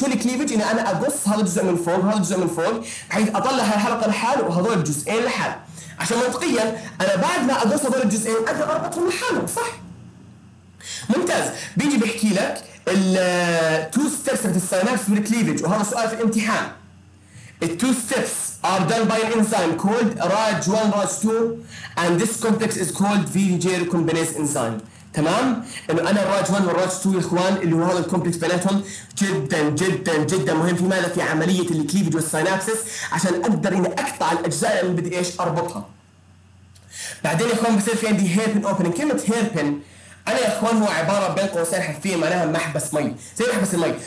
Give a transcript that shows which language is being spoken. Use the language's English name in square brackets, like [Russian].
[Arabic] شو الكليفج؟ اني انا اقص هذا الجزء من فوق وهذا الجزء من فوق بحيث اطلع هاي الحلقه لحاله وهذول الجزئين لحال. عشان منطقيا انا بعد ما اقص هذول الجزئين اقدر اربطهم لحالهم، صح؟ ممتاز. بيجي بيحكي لك ال [English] two steps of the synapse for the cleavage، [Arabic] وهذا سؤال في الامتحان. [English] The two steps are done by an enzyme called RAG1 RAG2 and this complex is called VDJ recombinase enzyme. [Arabic] تمام؟ إنه أنا RAG1 والRAG2 إخوان اللي هو هذا الكومبلكس بيناتهم جدا جدا جدا مهم في ماذا؟ في عملية الكليفج والسينابسس، عشان أقدر إني أقطع الأجزاء اللي بدي إيش أربطها. بعدين إخوان بصير في عندي هيربن أوبننج. كلمة هيربن انا يا اخوان هو عباره بين قوسين حرفيا معناها محبس مي، زي محبس المي.